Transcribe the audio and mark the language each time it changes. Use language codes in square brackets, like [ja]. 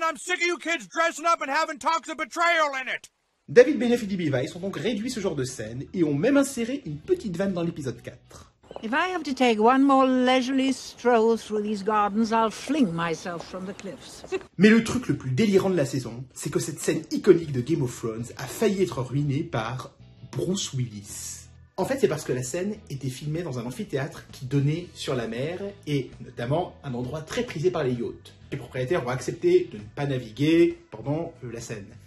[en] I'm sick of you kids dressing up and having talks of betrayal in it! [fr] David Benioff et D.B. Weiss ont donc réduit ce genre de scène et ont même inséré une petite vanne dans l'épisode 4. [en] If I have to take one more leisurely stroll through these gardens, I'll fling myself from the cliffs. [fr] Mais le truc le plus délirant de la saison, c'est que cette scène iconique de Game of Thrones a failli être ruinée par Bruce Willis. En fait, c'est parce que la scène était filmée dans un amphithéâtre qui donnait sur la mer et notamment un endroit très prisé par les yachts. Les propriétaires ont accepté de ne pas naviguer pendant la scène.